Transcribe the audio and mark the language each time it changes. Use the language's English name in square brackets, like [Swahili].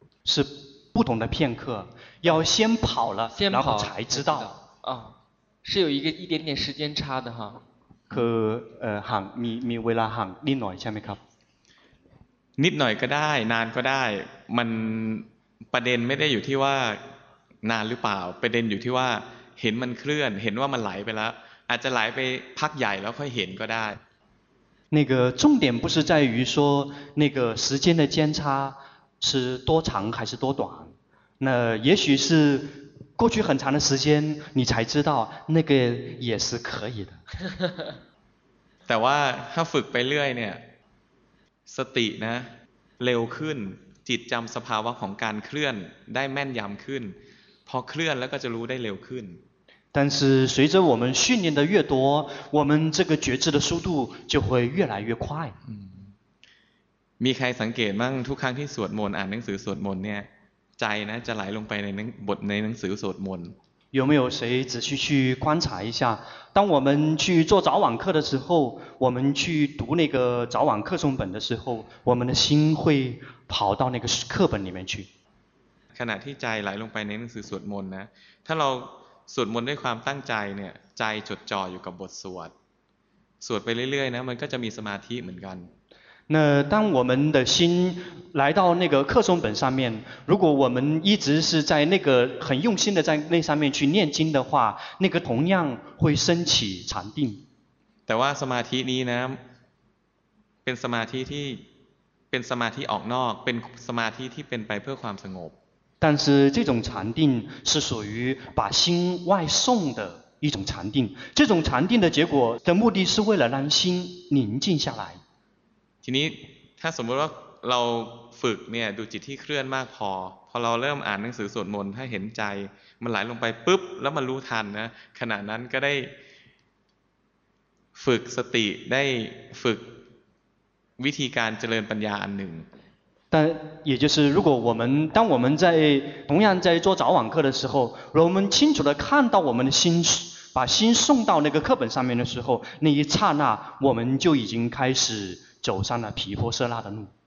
[Chinese] 是不同的片刻要先跑了先跑然后才知道啊、是有一个一点点时间差的哈 [Thai] 可ห่างมีเวลาห่างนิดหน่อยใช่ไหมครับ นิดหน่อยก็ได้นานก็ได้มันประเด็นไม่ได้อยู่ที่ว่านานหรือเปล่าประเด็นอยู่ที่ว่าเห็นมันเคลื่อนเห็นว่ามันไหลไปแล้วอาจจะไหลไปพักใหญ่แล้วค่อยเห็นก็ได้ [Chinese] 那个重点不是在于说那个时间的间差是多长还是多短那也许是过去很长的时间你才知道那个也是可以的 [Thai] แต่ว่าถ้าฝึกไปเรื่อยเนี่ยสตินะเร็วขึ้นจิตจำสภาวะของการเคลื่อนได้แม่นยำขึ้นพอเคลื่อนแล้วก็จะรู้ได้เร็วขึ้น [Chinese] 但是随着我们训练的越多我们这个觉知的速度就会越来越快 [Thai] มีใครสังเกตมั่งทุกครั้งที่สวดมนต์อ่านหนังสือสวดมนต์เนี่ยใจนะจะไหลลงไปในบทในหนังสือสวดมนต์ [Chinese] 有没有谁仔细去观察一下当我们去做早晚课的时候我们去读那个早晚课诵本的时候我们的心会跑到那个课本里面去 [Thai] ขณะที่ใจไหลลงไปในหนังสือสวดมนต์นะถ้าเราสวดมนต์ด้วยความตั้งใจเนี่ยใจจดจ่ออยู่กับบทสวดสวดไปเรื่อยๆนะมันก็จะมีสมาธิเหมือนกัน [Chinese] 那当我们的心来到那个课诵本上面如果我们一直是在那个很用心的在那上面去念经的话那个同样会升起禅定 [Thai] แต่ว่าสมาธินี้นะเป็นสมาธิที่เป็นสมาธิออกนอกเป็นสมาธิที่เป็นไปเพื่อความสงบ [Chinese] 但是这种禅定是属于把心外送的一种禅定这种禅定的结果的目的是为了让心宁静下来 [Thai] ทีนี้ถ้าสมมติว่าเราฝึกเนี่ยดูจิตที่เคลื่อนมากพอเราเริ่มอ่านหนังสือสวดมนต์ถ้าเห็นใจมันไหลลงไปปุ๊บแล้วมันรู้ทันนะขณะนั้นก็ได้ฝึกสติได้ฝึกวิธีการเจริญปัญญาอันหนึ่ง [Chinese] 但也就是如果我们当我们在同样在做早晚课的时候我们清楚地看到我们的心把心送到那个课本上面的时候那一刹那我们就已经开始走上了毗婆舍那的路